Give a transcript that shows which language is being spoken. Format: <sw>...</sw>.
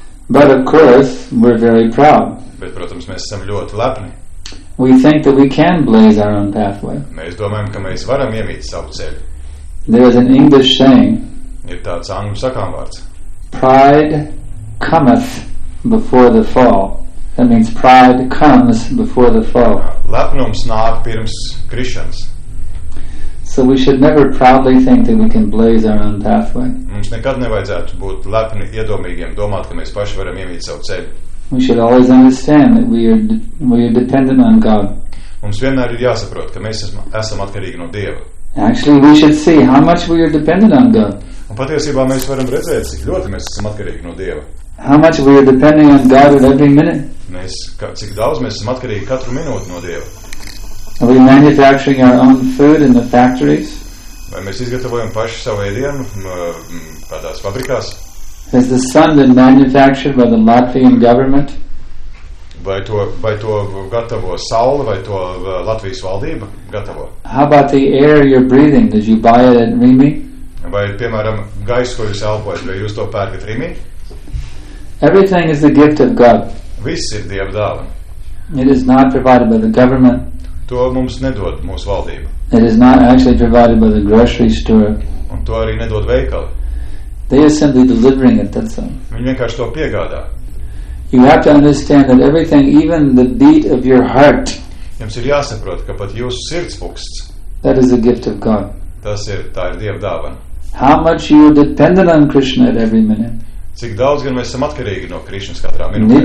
<en>But of course, we're very proud.</en> <lv>Bet, protams, mēs esam ļoti lepni.</lv> <en>We think that we can blaze our own pathway.</en> <lv>Mēs domājam, ka mēs varam iemīt savu ceļu.</lv> <en>There is an English saying.</en> <lv>Ir tāds angļu sakāmvārds.</lv> <en>Pride cometh before the fall. That means pride comes before the fall.</en> <lv>Lepnums nāk pirms krišanas.</lv> <en>So we should never proudly think that we can blaze our own pathway.</en> <lv>Mums nekad nevajadzētu būt lepni iedomīgiem, domāt, ka mēs paši varam iemīt savu ceļu.</lv> <en>We should always understand that we are dependent on God.</en> <lv>Mums vienmēr ir jāsaprot, ka mēs esam atkarīgi no Dieva.</lv> <en>Actually, we should see how much we are dependent on God.</en> <lv>Un patiesībā mēs varam redzēt, cik ļoti mēs esam atkarīgi no Dieva.</lv> <en>How much we are depending on God at every minute.</en> <lv>Mēs, cik daudz mēs esam atkarīgi katru minūti no Dieva.</lv> <en>Are we manufacturing our own food in the factories?</en> <lv>Vai mēs izgatavojam paši savu ēdienu kādās fabrikās?</lv> <en>Has the sun been manufactured by the Latvian government?</en> <lv>Vai to gatavo saule, vai to Latvijas valdība gatavo?</lv> <en>How about the air you're breathing? Did you buy it at Rimi?</en> <lv>Vai, piemēram, gaisu, ko jūs elpojat, vai jūs to pērkat Rimi?</lv> <en>Everything is the gift of God.</en> <lv>Viss ir Dieva dāvana.</lv> <en>It is not provided by the government.</en> <lv>To mums nedod mūsu valdība.</lv> <en>It is not actually provided by the grocery store.</en> <lv>Un to arī nedod veikali.</lv> <en>They are simply delivering it, that's all.</en> <lv>Viņi vienkārši to piegādā.</lv> <en>You have to understand that everything, even the beat of your heart,</en> <lv>jums ir jāsaprot, ka pat jūsu sirdspuksts,</lv> <en>that is a gift of God.</en> <lv>Tā ir Dieva dāvana.</lv> <en>How much you are dependent on Krishna at every minute.</en> <lv>Cik daudz gan mēs esam atkarīgi no Krišnas katrā minūtē.</lv>